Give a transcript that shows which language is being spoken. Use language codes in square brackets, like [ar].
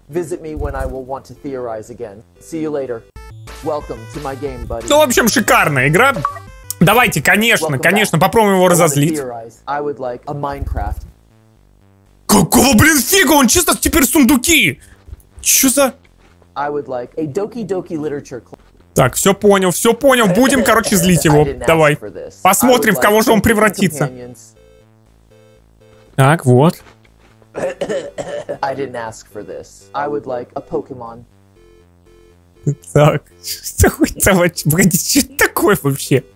[en] Visit me when I will want to theorize again. See you later. Welcome to my game, buddy. [ru] Ну, в общем, шикарная игра. Давайте, конечно, попробуем его разозлить. Какого, блин, фига? Он чисто теперь сундуки. Чё за... [en] I would like a doki-doki literature club. [ru] Так, все понял. Будем, короче, злить его. Давай. Посмотрим, в кого же он превратится. Так, вот. [en] I didn't ask for this. I would like a Pokemon. [ru] Так, что это вообще? Что это такое вообще?